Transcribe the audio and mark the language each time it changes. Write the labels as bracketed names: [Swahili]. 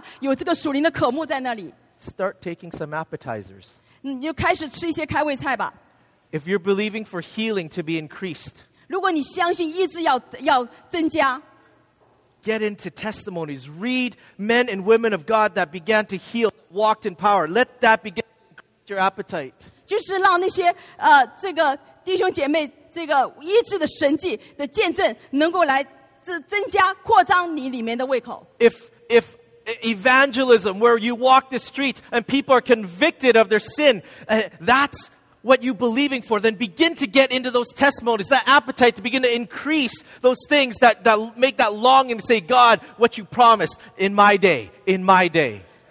[Chinese] 如果现在一些属灵的东西让你没有办法有这个属灵的渴慕在那里， [English] start taking some appetizers. [Chinese] 你就开始吃一些开胃菜吧。 [English] If you're believing for healing to be increased, [Chinese] 如果你相信医治要增加, [English] get into testimonies. Read men and women of God that began to heal, walked in power. Let that begin to increase your appetite. [Chinese] 就是让那些这个弟兄姐妹这个医治的神迹的见证能够来增加扩张你里面的胃口。 [English] If evangelism, where you walk the streets and people are convicted of their sin, that's what you're believing for, then begin to get into those testimonies, that appetite to begin to increase those things that make that longing to say, God, what you promised in my day, in my day.